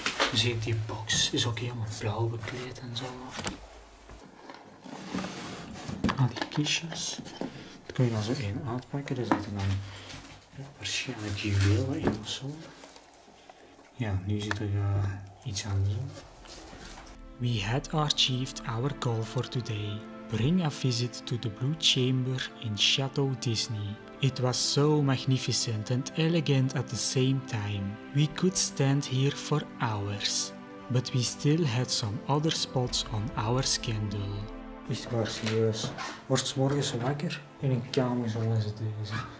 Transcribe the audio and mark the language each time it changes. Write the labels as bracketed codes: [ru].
[nl] Je ziet die box is ook helemaal blauw bekleed en zo. Al die kistjes. Dat kun je dan zo één uitpakken. Daar zitten dan waarschijnlijk juwelen in of zo. Ja, nu zit er iets anders in. [en] We had achieved our goal for today. Bring a visit to the Blue Chamber in Chateau Disney. It was so magnificent and elegant at the same time. We could stand here for hours. But we still had some other spots on our schedule. [nl] Echt waar, serieus. Wordt 's morgens wakker in een kamer zoals deze.